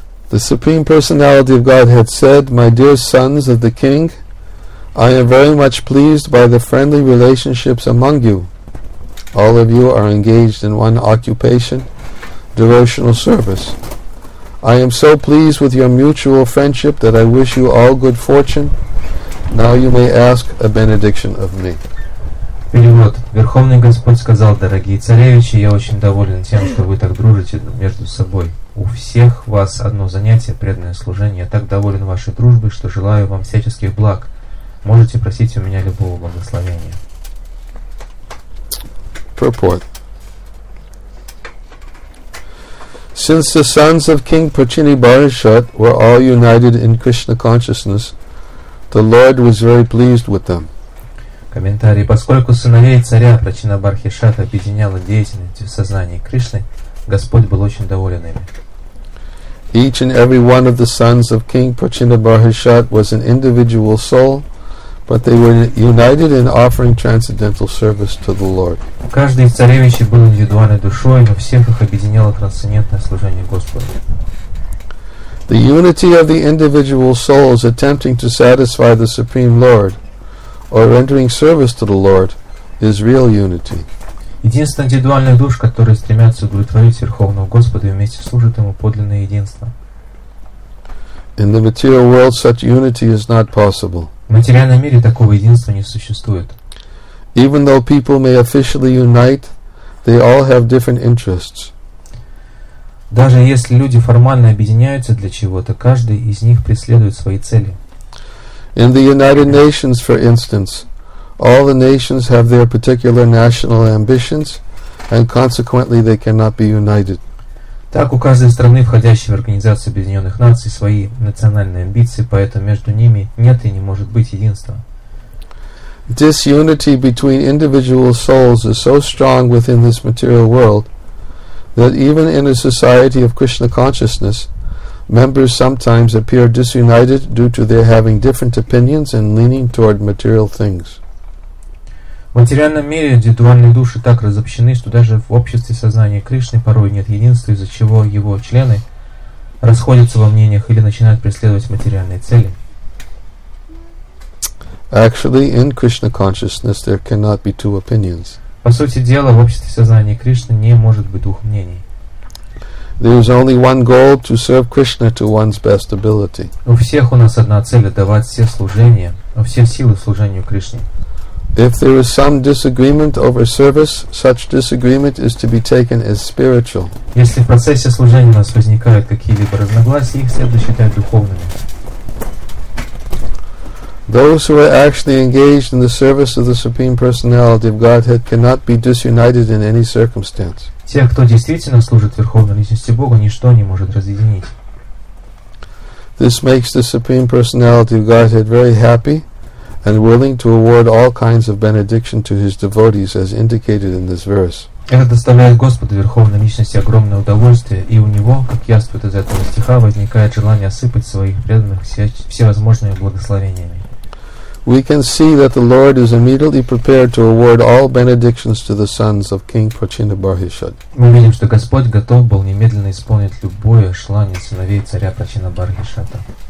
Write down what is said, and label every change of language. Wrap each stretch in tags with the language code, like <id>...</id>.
<en>The Supreme Personality of Godhead said, My dear sons of the King, I am very much pleased by the friendly relationships among you. All of you are engaged in one occupation, devotional service. I am so pleased with your mutual friendship that I wish you all good fortune. Now you may ask a benediction of me.</en> <ru>Перевод. Верховный Господь сказал, дорогие царевичи, я очень доволен тем, что вы так дружите между собой. У всех вас одно занятие, преданное служение. Я так доволен вашей дружбой, что желаю вам всяческих благ. Можете просить у меня любого благословения.</ru> <en>Purport. Since the sons of King Prachini Barishat were all united in Krishna consciousness, the Lord was very pleased with them.</en> <ru>Комментарий. Поскольку сыновей царя Прачина Бархишат объединяла деятельность в сознании Кришны, Господь был очень доволен ими.</ru> <en>Each and every one of the sons of King Prachina Bharishat was an individual soul, but they were united in offering transcendental service to the Lord.</en> <ru>Каждый из царевичей был индивидуальной душой, но всех их объединяло трансцендентное служение Господу.</ru> <en>The unity of the individual souls attempting to satisfy the Supreme Lord or rendering service to the Lord is real unity.</en> <ru>Единство индивидуальных душ, которые стремятся удовлетворить Верховного Господа и вместе служат Ему, подлинное единство.</ru> <en>In the material world such unity is not possible.</en> <ru>В материальном мире такого единства не существует.</ru> <en>Even though people may officially unite, they all have different interests.</en> <ru>Даже если люди формально объединяются для чего-то, каждый из них преследует свои цели.</ru> <en>In the United Nations, for instance, all the nations have their particular national ambitions, and consequently they cannot be united.</en> <ru>Так у каждой страны, входящей в Организацию Объединенных Наций, свои национальные амбиции, поэтому между ними нет и не может быть единства.</ru> <en>Disunity between individual souls is so strong within this material world that even in a society of Krishna consciousness, members sometimes appear disunited due to their having different opinions and leaning toward material things.</en> <ru>В материальном мире индивидуальные души так разобщены, что даже в обществе сознания Кришны порой нет единства, из-за чего его члены расходятся во мнениях или начинают преследовать материальные цели.</ru> <en>Actually, in Krishna consciousness there cannot be two opinions.</en> <ru>По сути дела, в обществе сознания Кришны не может быть двух мнений.</ru> <en>There is only one goal to serve Krishna to one's best ability.</en> <ru>У всех у нас одна цель отдавать все служения, все силы служению Кришне.</ru> <en>If there is some disagreement over service, such disagreement is to be taken as spiritual.</en> <ru>Если в процессе служения у нас возникают какие-либо разногласия, их следует считать духовными.</ru> <en>Those who are actually engaged in the service of the Supreme Personality of Godhead cannot be disunited in any circumstance.</en> <ru>Те, кто действительно служит Верховной Личности Бога, ничто не может разъединить.</ru> <en>This makes the Supreme Personality of Godhead very happy and willing to award all kinds of benediction to His devotees, as indicated in this verse.</en> <ru>Это доставляет Господу Верховной Личности огромное удовольствие, и у Него, как яствует из этого стиха, возникает желание осыпать своих преданных всевозможными благословениями.</ru> <en>We can see that the Lord is immediately prepared to award all benedictions to the sons of King Prachina Bharishat.</en> <ru>Мы видим, что Господь готов был немедленно исполнить любое желание сыновей царя Прачина Бархишата.</ru>